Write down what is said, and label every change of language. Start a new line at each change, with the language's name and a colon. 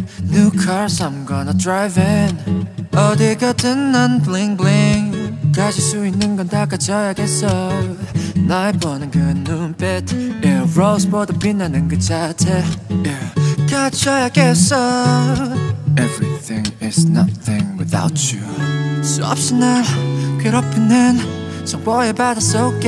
English: New cars I'm gonna drive in.
Korean: 어디 가든 난
English: bling bling.
Korean: 가질 수 있는 건 다 가져야겠어. 날 보는 그 눈빛. Yeah. Rose보다 빛나는 그 자태. Yeah. 가져야겠어.
English: Everything is nothing without you.
Korean: 수없이 날 괴롭히는 정보의 바다 속에.